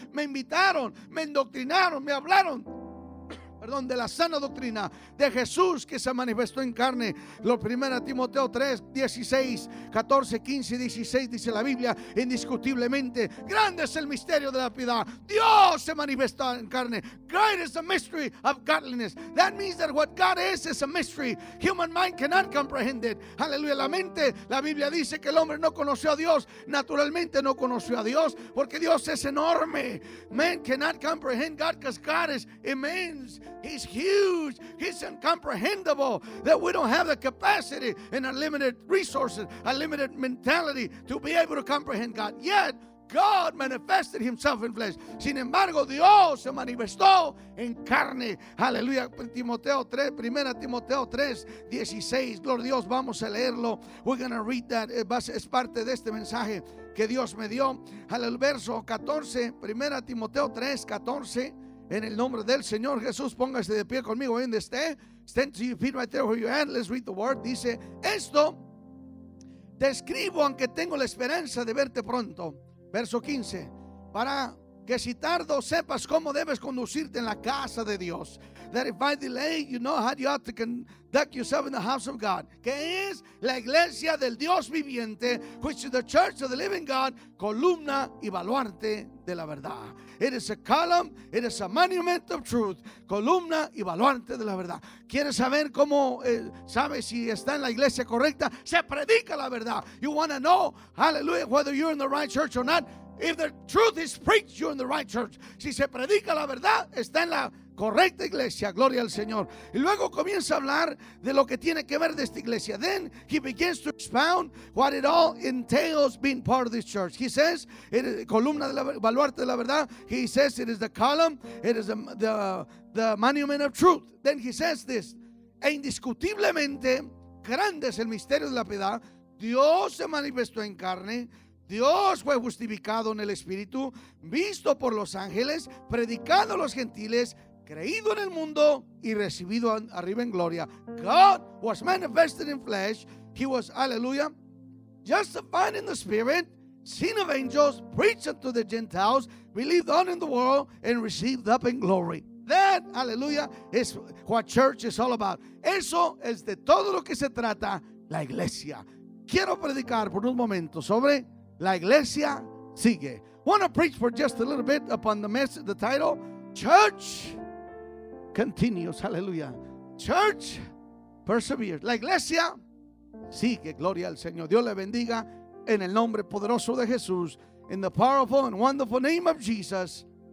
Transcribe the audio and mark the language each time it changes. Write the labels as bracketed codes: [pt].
[es] Me invitaron, me indoctrinaron, me hablaron, perdón, de la sana doctrina de Jesús que se manifestó en carne. Lo primero a Timoteo 3, 16, 14, 15 y 16 dice la Biblia, indiscutiblemente, grande es el misterio de la piedad. Dios se manifestó en carne. [en] Great is the mystery of godliness. That means that what God is a mystery. Human mind cannot comprehend it. [es] Aleluya, la mente, la Biblia dice que el hombre no conoció a Dios. Naturalmente no conoció a Dios, porque Dios es enorme. [en] Man cannot comprehend God because God is immense. He's huge. He's incomprehensible. That we don't have the capacity and unlimited resources, unlimited mentality to be able to comprehend God. Yet, God manifested himself in flesh. [es] Sin embargo, Dios se manifestó en carne. Aleluya. Timoteo 3, 1 Timoteo 3, 16. Gloria a Dios, vamos a leerlo. [en] We're going to read that. [es] Es parte de este mensaje que Dios me dio. Aleluya. Verso 14, 1 Timoteo 3, 14. En el nombre del Señor Jesús, póngase de pie conmigo ahí donde esté. [en] Stand to your feet right there where you are. Let's read the word. [es] Dice, esto te escribo aunque tengo la esperanza de verte pronto. Verso 15. Para que si tardo sepas cómo debes conducirte en la casa de Dios. [en] That if I delay, you know how you ought to conduct yourself in the house of God. [es] Que es la iglesia del Dios viviente, [en] which is the church of the living God, [es] columna y baluarte de la verdad. [en] It is a column, it is a monument of truth, [es] columna y baluarte de la verdad. ¿Quieres saber cómo sabes si está en la iglesia correcta? Se predica la verdad. [en] You want to know, hallelujah, whether you're in the right church or not. If the truth is preached, you're in the right church. [es] Si se predica la verdad, está en la correcta iglesia. Gloria al Señor. Y luego comienza a hablar de lo que tiene que ver de esta iglesia. [en] Then he begins to expound what it all entails being part of this church. He says, it is [es] columna de la baluarte de la verdad. [en] He says, it is the column, it is the monument of truth. Then he says this, [es] e indiscutiblemente grande es el misterio de la piedad. Dios se manifestó en carne. Dios fue justificado en el Espíritu, visto por los ángeles, predicado a los gentiles, creído en el mundo y recibido arriba en gloria. [en] God was manifested in flesh. He was, hallelujah, justified in the Spirit, seen of angels, preached unto the Gentiles, believed on in the world, and received up in glory. That, hallelujah, is what church is all about. [es] Eso es de todo lo que se trata la iglesia. Quiero predicar por un momento sobre la iglesia sigue. [en] Want to preach for just a little bit upon the message, the title, Church Continues. [es] Hallelujah. [en] Church Perseveres. [es] La iglesia sigue. Gloria al Señor. Dios le bendiga en el nombre poderoso de Jesús. [en] In the powerful and wonderful name of Jesus.